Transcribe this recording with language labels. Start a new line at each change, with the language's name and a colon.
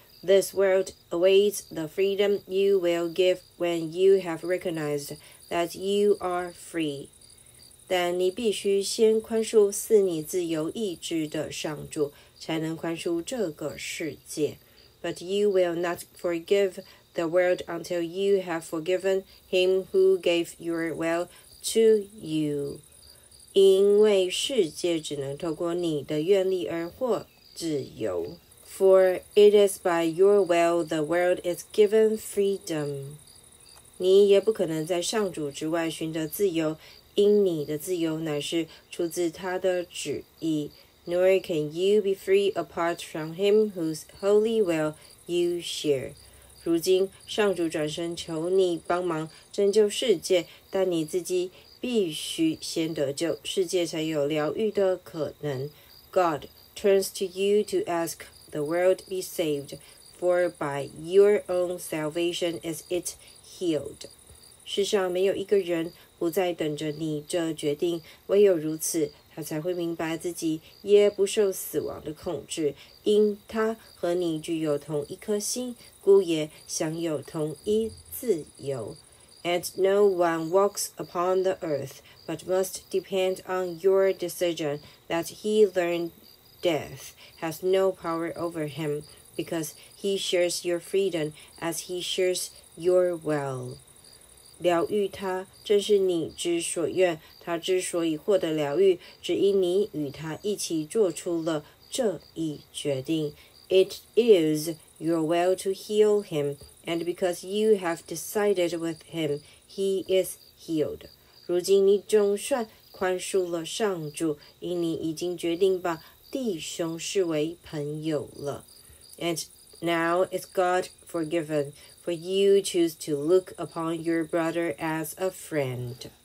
English: This world awaits the freedom you will give when you have recognized that you are free.
Chinese: 但你必须先宽恕赐你自由意志的上主，才能宽恕这个世界。
English: But you will not forgive the world until you have forgiven him who gave your will to you.
Chinese: 因为世界只能透过你的愿力而获自由。
English: For it is by your will the world is given freedom.
Chinese: 你也不可能在上主之外寻得自由，因你的自由乃是出自他的旨意。
English: Nor can you be free apart from him whose holy will you share.
Chinese: 如今上主转身求你帮忙拯救世界，但你自己必须先得救，世界才有疗愈的可能。
English: God turns to you to ask. The world be saved, for by your own salvation is it healed.
Chinese: 世上没有一个人不再等着你这决定，唯有如此，他才会明白自己也不受死亡的控制，因他和你具有同一颗心，故也享有同一自由。
English: And no one walks upon the earth, but must depend on your decision that he learned. Death has no power over him because he shares your freedom as he shares your will.
Chinese: 疗愈他正是你之所愿，他之所以获得疗愈，只因你与他一起做出了这一决定。
English: It is your will to heal him And because you have decided with him, he is healed.
Chinese: 如今你总算宽恕了上主，因你已经决定把弟兄视为朋友了。
English: And now is God forgiven, for you choose to look upon your brother as a friend.